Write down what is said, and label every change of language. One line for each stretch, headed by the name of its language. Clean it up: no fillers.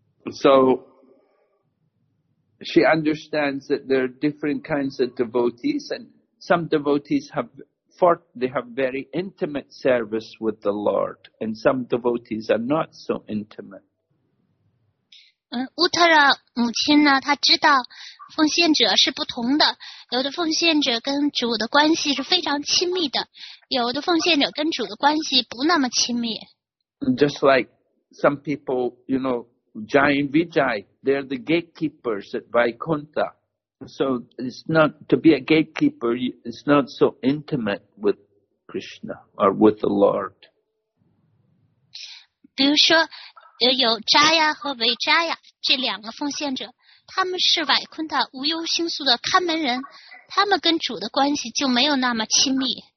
English: So she understands that there are different kinds of devotees, and some devotees have very intimate service with the Lord, and some devotees are not so intimate.
Chinese: Uttara 母亲呢，她知道奉献者是不同的，有的奉献者跟主的关系是非常亲密的，有的奉献者跟主的关系不那么亲密。
English: Just like some people, you know, Jai and Vijay, they're the gatekeepers at Vaikuntha. So it's not to be a gatekeeper, it's not so intimate with Krishna or with the Lord.
Chinese: 比如说有扎亚和维扎亚这两个奉献者，他们是瓦昆塔无忧星宿的看门人，他们跟主的关系就没有那么亲密。